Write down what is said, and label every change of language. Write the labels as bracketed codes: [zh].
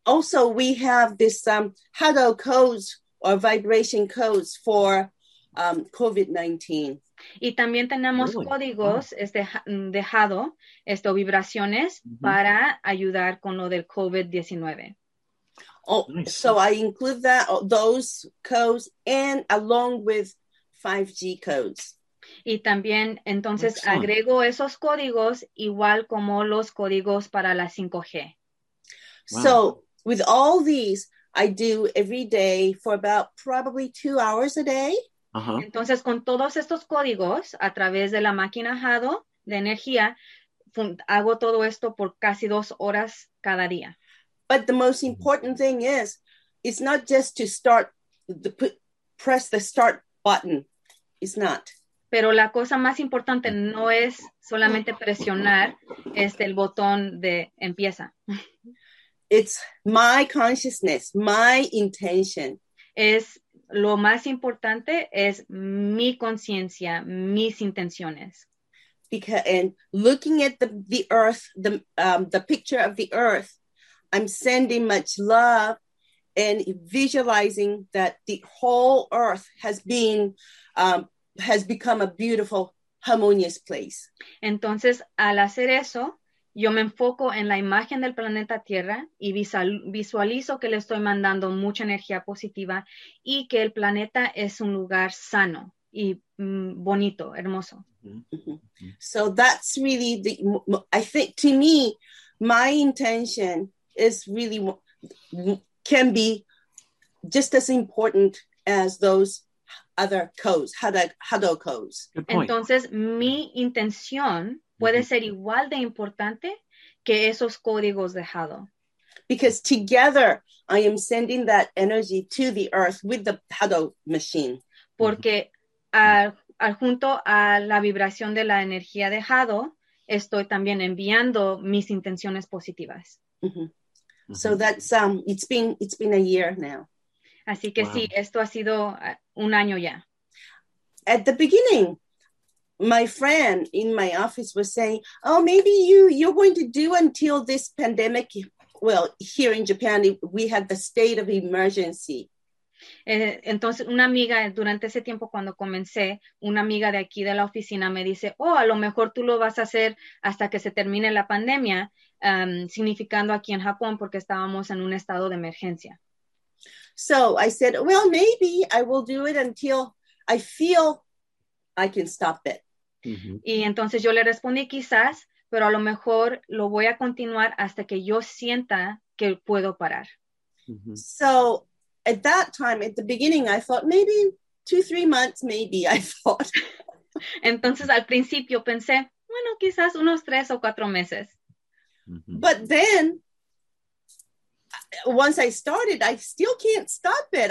[en] Also, we have this Hado codes or vibration codes for COVID-19. [es] Y también tenemos [en] really? [es] Códigos de Hado, vibraciones, mm-hmm. para ayudar con lo del COVID-19. [en] Oh, nice. So I include those codes and along with 5G codes. [es] Y también, entonces, [en] excellent. [es] Agrego esos códigos igual como los códigos para la 5G. [en] Wow. So with all these, I do every day for about probably 2 hours a day. Uh-huh. [es] Entonces, con todos estos códigos a través de la máquina Hado de energía, hago todo esto por casi 2 horas cada día. [en] But the most important thing is, it's not just to start, press the start button. It's not. [es] Pero la cosa más importante no es solamente presionar el botón de empieza. [en] It's my consciousness, my intention. [es] Es lo más importante es mi conciencia, mis intenciones. [en] Because and looking at the earth, the picture of the earth, I'm sending much love and visualizing that the whole earth has been has become a beautiful, harmonious place. [es] Entonces, al hacer eso, yo me enfoco en la imagen del planeta Tierra y visualizo que le estoy mandando mucha energía positiva y que el planeta es un lugar sano y bonito, hermoso. [en] Mm-hmm. So that's really the, I think to me, my intention is really, can be just as important as those other codes, Hado codes. [es] Entonces, mi intención puede ser igual de importante que esos códigos de Hado. [en] Because together I am sending that energy to the earth with the Hado machine. [es] Porque al junto a la vibración de la energía de Hado, estoy también enviando mis intenciones positivas. [en] Mm-hmm. So that's it's been a year now. [es] Así que wow. Sí, esto ha sido un año ya. [en] At the beginning, my friend in my office was saying, "Oh, maybe you're going to do until this pandemic." Well, here in Japan, we had the state of emergency. [es] Entonces, una amiga durante ese tiempo cuando comencé, una amiga de aquí de la oficina me dice, "Oh, a lo mejor tú lo vas a hacer hasta que se termine la pandemia." Significando aquí en Japón porque estábamos en un estado de emergencia. [en] So I said, well, maybe I will do it until I feel I can stop it. Mm-hmm. [es] Y entonces yo le respondí quizás, pero a lo mejor lo voy a continuar hasta que yo sienta que puedo parar. [en] Mm-hmm. So at that time, at the beginning, I thought maybe 2-3 months, maybe, I thought. [es] Entonces, al principio pensé, bueno, quizás unos 3 o 4 meses. [en] But then, once I started, I still can't stop it.